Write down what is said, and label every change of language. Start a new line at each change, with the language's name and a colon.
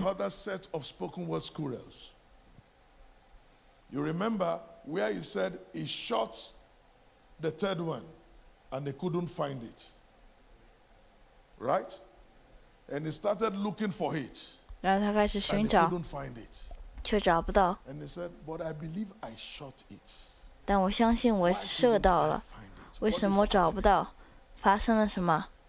English: ，You heard that set of spoken words, Kurels. You remember where he said he shot the third one, and they couldn't find it. Right? And he started looking for it.
Chinese: 然后他开始寻找，却找不到。
English: And he said, "But I believe I shot it."
Chinese: 但我相信我射到了，为什么找不到？发生了什么？